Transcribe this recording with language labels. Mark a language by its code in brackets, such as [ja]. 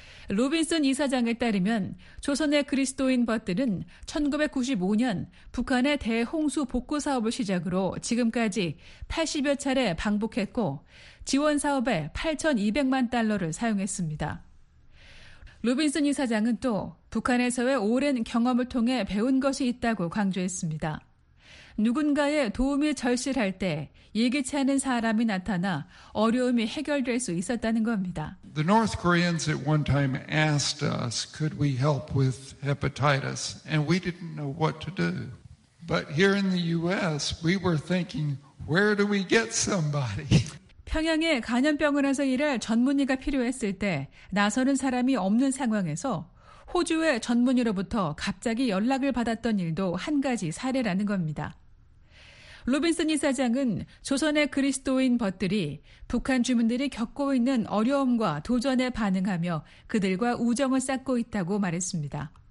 [ko] 로빈슨 이사장에 따르면 조선의 그리스도인 벗들은 1995년 북한의 대홍수 복구 사업을 시작으로 지금까지 80여 차례 방북했고 지원 사업에 8,200만 달러를 사용했습니다. 로빈슨 이사장은 또 북한에서의 오랜 경험을 통해 배운 것이 있다고 강조했습니다. 누군가의 도움이 절실할 때 예기치 않은 사람이 나타나 어려움이 해결될 수 있었다는 겁니다. [en] The North Koreans at one time asked us, could we help with hepatitis? And we didn't know what to do. But here in the U.S., we were thinking, where do we get somebody? [ko] 평양에 간염병원에서 일할 전문의가 필요했을 때 나서는 사람이 없는 상황에서 호주의 전문의로부터 갑자기 연락을 받았던 일도 한 가지 사례라는 겁니다. 로빈슨 이사장은 조선의 그리스도인 벗들이 북한 주민들이 겪고 있는 어려움과 도전에 반응하며 그들과 우정을 쌓고 있다고 말했습니다.